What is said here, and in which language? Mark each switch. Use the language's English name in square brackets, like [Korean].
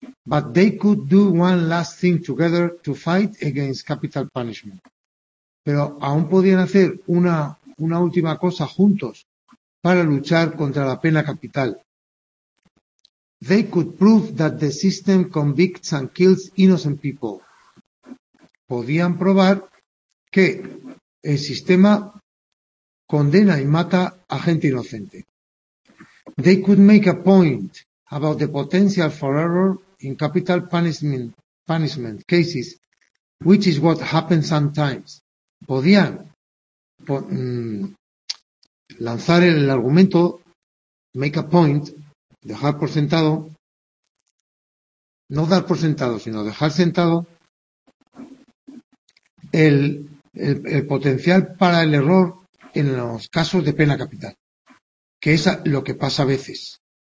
[English] But they could do one last thing together to fight against capital punishment. [Spanish] Pero aún podían hacer una última cosa juntos para luchar contra la pena capital. [English] They could prove that the system convicts and kills innocent people. [Spanish] Podían probar que el sistema condena y mata a gente inocente. [English] They could make a point about the potential for error in capital punishment cases, which is what happens sometimes. [Spanish] Podían lanzar el argumento, [English] make a point, [Spanish] dejar por sentado, no dar por sentado, sino dejar sentado el potencial para el error en los casos de pena capital, que es lo que pasa a veces.